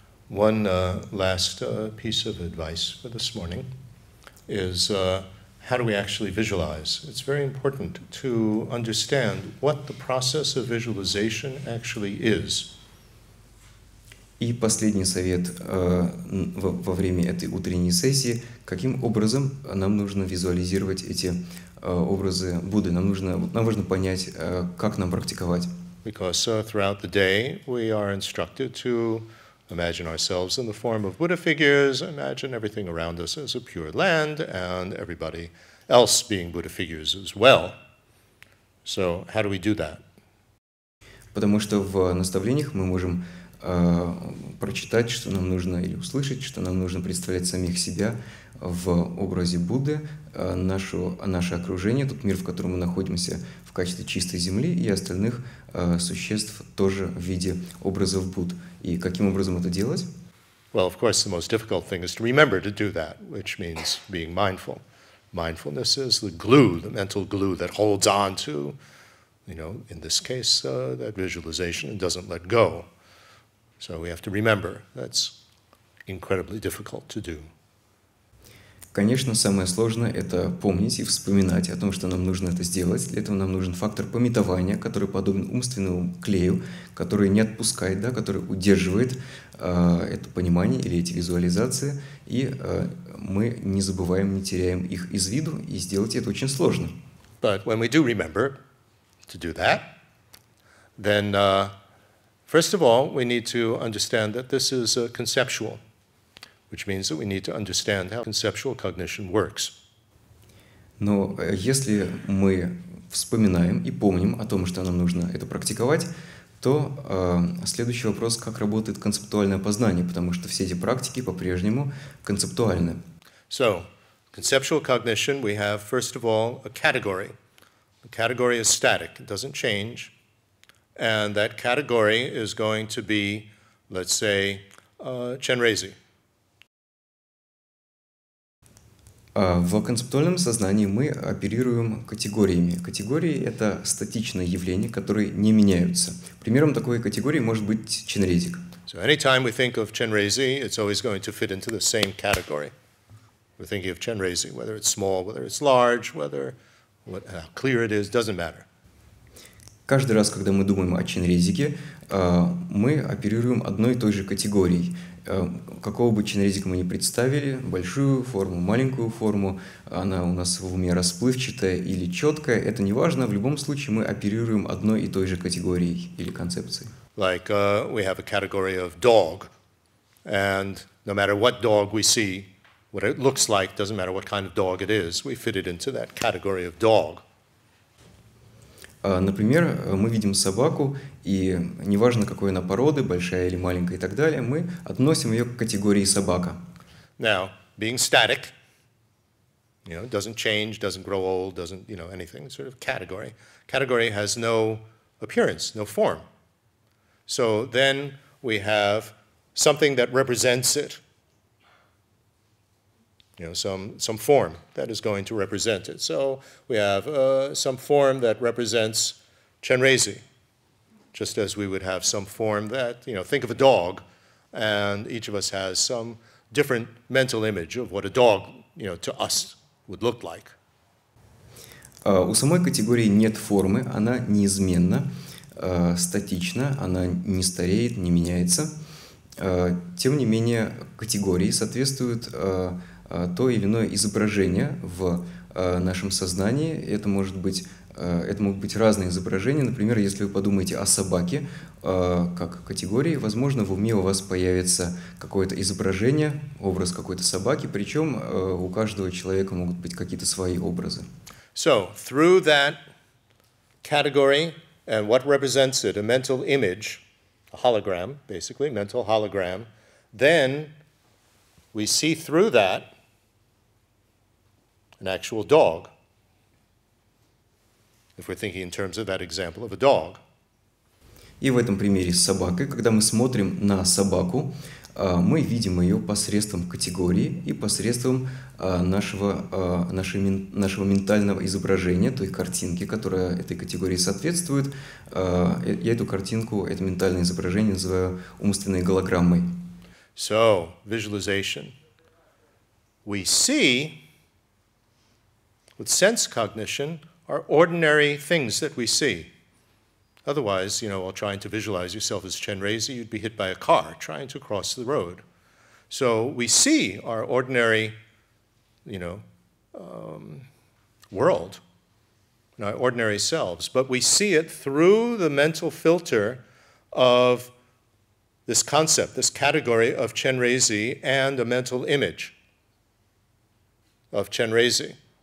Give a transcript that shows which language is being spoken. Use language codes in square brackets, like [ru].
[en] One last piece of advice for this morning is how do we actually visualize? It's very important to understand what the process of visualization actually is. [ru] И последний совет во время этой утренней сессии. Каким образом нам нужно визуализировать эти образы Будды? Нам нужно понять, как нам практиковать. [en] Because throughout the day we are instructed to imagine ourselves in the form of Buddha figures, imagine everything around us as a pure land, and everybody else being Buddha figures as well. So how do we do that? [ru] Потому что в наставлениях мы можем прочитать, что нам нужно, или услышать, что нам нужно представлять самих себя в образе Будды, наше окружение, тот мир, в котором мы находимся, в качестве чистой земли, и остальных существ тоже в виде образов Будд. И каким образом это делать? [en] Well, of course, the most difficult thing is to remember to do that, which means being mindful. Mindfulness is the glue, the mental glue that holds on to, you know, in this case, that visualization and doesn't let go. So we have to remember that's incredibly difficult to do. [ru] Конечно, самое сложное – это помнить и вспоминать о том, что нам нужно это сделать. Для этого нам нужен фактор памятования, который подобен умственному клею, который не отпускает, да, который удерживает это понимание или эти визуализации, и мы не забываем, не теряем их из виду, и сделать это очень сложно. [en] But when we do remember to do that, then first of all, we need to understand that this is conceptual, which means that we need to understand how conceptual cognition works. [ru] Но если мы вспоминаем и помним о том, что нам нужно это практиковать, то следующий вопрос – как работает концептуальное познание, потому что все эти практики по-прежнему концептуальны. [en] So, conceptual cognition, we have, first of all, a category. A category is static, it doesn't change. And that category is going to be, let's say, Chenrezig. [ru] В концептуальном сознании мы оперируем категориями. Категории – это статичные явления, которые не меняются. Примером такой категории может быть Chenrezig. [en] So anytime we think of Chenrezig, it's always going to fit into the same category. We're thinking of Chenrezig, whether it's small, whether it's large, whether how clear it is, doesn't matter. [ru] Каждый раз, когда мы думаем о Chenrezige, мы оперируем одной и той же категорией. Какого бы Chenrezig мы ни представили, большую форму, маленькую форму, она у нас в уме расплывчатая или четкая, это не важно, в любом случае мы оперируем одной и той же категорией или концепцией. [en] Like we have a category of dog, and no matter what dog we see, what it looks like, doesn't matter what kind of dog it is, we fit it into that category of dog. [ru] Например, мы видим собаку, и неважно, какой она породы, большая или маленькая и так далее, мы относим ее к категории собака. [en] Now, being static, you know, doesn't change, doesn't grow old, doesn't, you know, anything, sort of category. Category has no appearance, no form. So then we have something that represents it, you know, some form that is going to represent it. So we have some form that represents Chenrezig, just as we would have some form that, you know, think of a dog, and each of us has some different mental image of what a dog, you know, to us would look like. [ru] У самой категории нет формы, она неизменна, статична, она не стареет, не меняется. Тем не менее, категории соответствуют то или иное изображение в нашем сознании. Это могут быть разные изображения. Например, если вы подумаете о собаке как категории, возможно, в уме у вас появится какое-то изображение, образ какой-то собаки, причем у каждого человека могут быть какие-то свои образы. [en] So, through that category and what represents it, a mental image, a hologram, basically, mental hologram, then we see through that an actual dog, if we're thinking in terms of that example of a dog. [ru] И в этом примере с собакой, когда мы смотрим на собаку, мы видим ее посредством категории и посредством нашего ментального изображения, той картинки, которая этой категории соответствует. Я эту картинку, это ментальное изображение называю умственной голограммой. [en] So, visualization. We see with sense cognition are ordinary things that we see. Otherwise, you know, while trying to visualize yourself as Chenrezig, you'd be hit by a car trying to cross the road. So we see our ordinary, you know, world, and our ordinary selves, but we see it through the mental filter of this concept, this category of Chenrezig, and a mental image of Chenrezig.